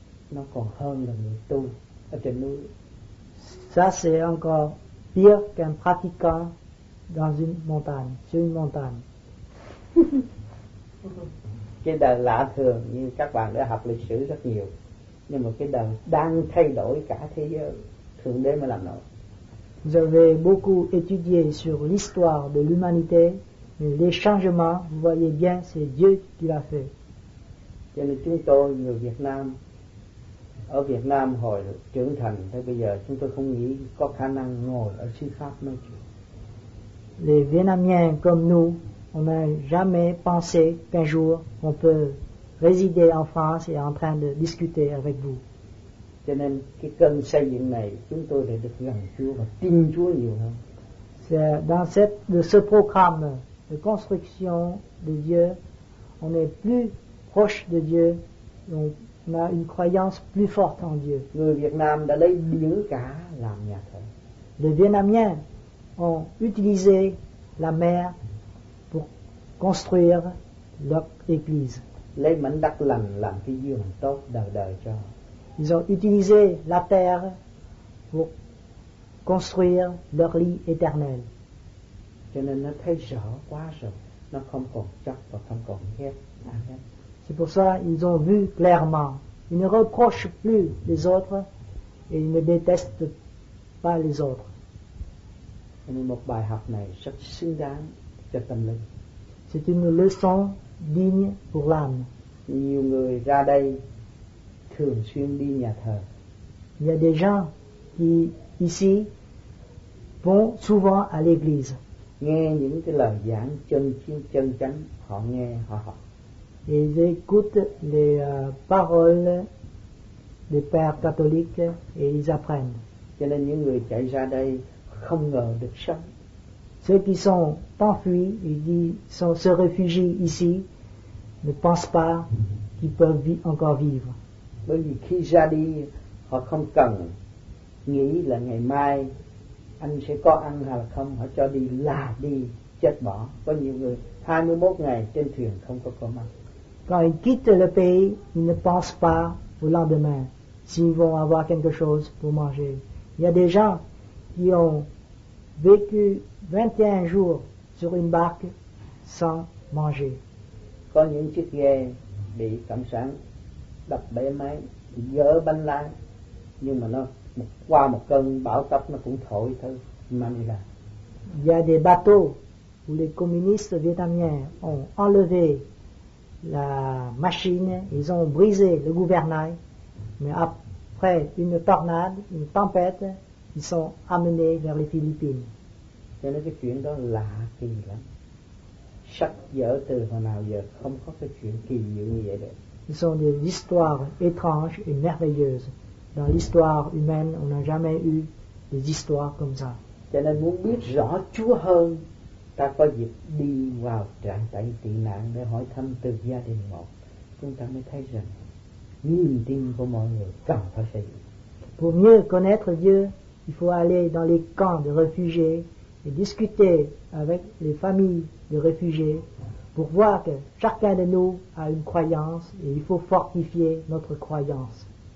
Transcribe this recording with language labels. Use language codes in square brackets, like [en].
[vi] Nó còn hơn là người tu ở trên núi. [fr] Ça, c'est encore pire qu'un pratiquant dans une montagne, sur une montagne. [vi] Cái đời lạ thường như các bạn đã học lịch sử rất nhiều, nhưng mà cái đời đang thay đổi cả thế giới, thượng đế mới làm nổi. [fr] Vous avez beaucoup étudié sur l'histoire de l'humanité. Les changements, vous voyez bien, c'est Dieu qui l'a fait. [vi] Cho nên chúng tôi người Việt Nam, ở Việt Nam hồi trưởng thành tới bây giờ, chúng tôi không nghĩ có khả năng ngồi ở xứ Pháp nói chuyện. [fr] Les Vietnamiens comme nous, on n'a jamais pensé qu'un jour on peut résider en France et en train de discuter avec vous. [vi] Cho nên cái cơn xây dựng này, chúng tôi lại được gần Chúa và tin Chúa nhiều hơn. [fr] C'est dans ce programme de construction de Dieu, on est plus proche de Dieu, donc on a une croyance plus forte en Dieu. [vi] Người Việt Nam đã lấy biển cả làm nhà thờ. [fr] Les Vietnamiens ont utilisé la mer pour construire leur église. [vi] Lấy mảnh đất lành làm cái giường tốt đời đời cho. [fr] Ils ont utilisé la terre pour construire leur lit éternel. [vi] Cho nên nó thấy rõ quá rồi, nó không còn chấp và không còn ghét. [fr] C'est pour ça ils ont vu clairement. Ils ne reprochent plus les autres et ils ne détestent pas les autres. [vi] Cho nên một bài học này rất xứng đáng cho tâm linh. [fr] C'est une leçon digne pour l'âme. [vi] Nhiều người ra đây thường xuyên đi nhà thờ. [fr] Il y a des gens qui ici vont souvent à l'église. [vi] Nghe những cái lời giảng chân chính chân chánh, họ nghe họ học. [fr] Ils écoutent les paroles des pères catholiques et ils apprennent. [vi] Cho nên những người chạy ra đây không ngờ được sống. [fr] Ceux qui sont enfuis, ils disent, sont se réfugient ici, ne pensent pas qu'ils peuvent encore vivre. [vi] Bởi vì khi ra đi, họ không cần nghĩ là ngày mai anh sẽ có ăn hay là không, họ cho đi là đi, chết bỏ. Có nhiều người 21 ngày trên thuyền không có cơm ăn. [fr] Quand ils quittent le pays, ils ne pensent pas au lendemain s'ils vont avoir quelque chose pour manger. Il y a des gens qui ont vécu 21 jours sur une barque sans manger. [vi] Có những chiếc ghe bị cảnh sát đập bể máy, dỡ bánh lái, nhưng mà nó qua một cơn bão tấp nó cũng thổi thôi, Manila. [fr] Il y a des bateaux où les communistes vietnamiens ont enlevé la machine, ils ont brisé le gouvernail, mais après une tornade, une tempête, ils sont amenés vers les Philippines. [vi] Cho nên cái chuyện đó lạ kỳ lắm. Sắc dở từ hồi nào giờ không có cái chuyện kỳ dữ như vậy được. [fr] Ce sont des histoires étranges et merveilleuses. Dans l'histoire humaine, on n'a jamais eu des histoires comme ça. [vi] Cho nên muốn biết rõ Chúa hơn, ta có dịp đi vào trạng tại tị nạn để hỏi thăm từ gia đình một, chúng ta mới thấy rằng niềm tin của mọi người cần phải xây dựng. [fr] Pour mieux connaître Dieu, il faut aller dans les camps de réfugiés et discuter avec les familles de réfugiés pour voir que chacun de nous a une croyance et il faut fortifier notre croyance.